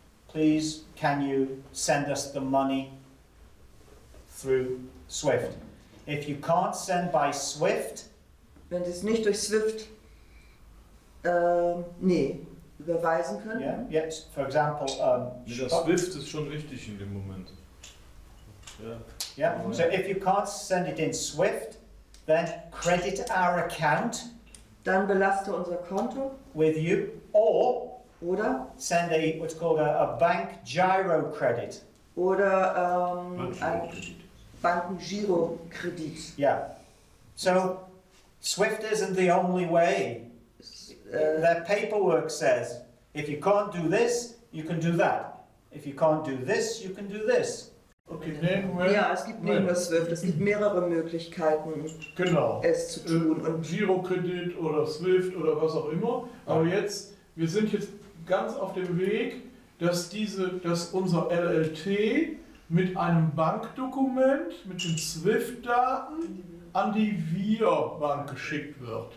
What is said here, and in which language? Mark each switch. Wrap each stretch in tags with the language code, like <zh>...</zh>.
<en>Please, can you send us the money through SWIFT? If you can't send by SWIFT...</en> <de>Wenn Sie es nicht durch SWIFT überweisen können.</de> <en>Yeah, yes, for example...</en> <de>SWIFT ist schon richtig in dem Moment.</de> <en>Yeah. Yeah. So if you can't send it in SWIFT, then credit our account...</en> <de>Dann belaste unser Konto.</de> <en>...with you, or...</en> <de>Oder</de> <en>send a what's called a bank gyro credit.</en> <de>Oder Banken-Giro-Kredit.</de> <en>Yeah. So, SWIFT isn't the only way. Their paperwork says, if you can't do this, you can do that. If you can't do this, you can do this.</en> <de>Okay, nehmen wir. Ja, es gibt neben das SWIFT, es gibt mehrere Möglichkeiten, genau, es zu tun. Und Girokredit oder SWIFT oder was auch immer. Aber jetzt, wir sind jetzt ganz auf dem Weg, dass diese, dass unser LLT mit einem Bankdokument, mit den SWIFT-Daten, an die Wirbank geschickt wird.</de>